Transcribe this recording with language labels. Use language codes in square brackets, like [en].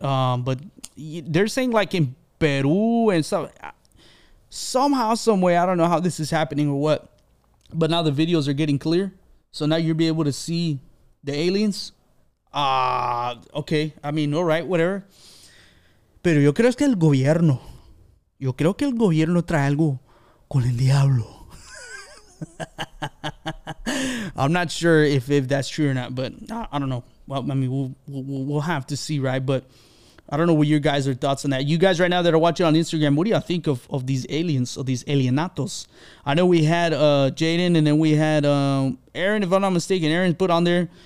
[en] But they're saying like in Peru and stuff. Somehow, some way, I don't know how this is happening or what. But now the videos are getting clear. So now you'll be able to see the aliens. Okay. I mean, all right, whatever. [es] Pero yo creo que el gobierno. Yo creo que el gobierno trae algo con el diablo. [en] I'm not sure if that's true or not, but I don't know. Well, I mean, we'll have to see, right? But I don't know what your guys' thoughts on that. You guys right now that are watching on Instagram, what do y'all think of these aliens, of these alienatos? I know we had Jaden, and then we had Aaron, if I'm not mistaken. Aaron's put on there.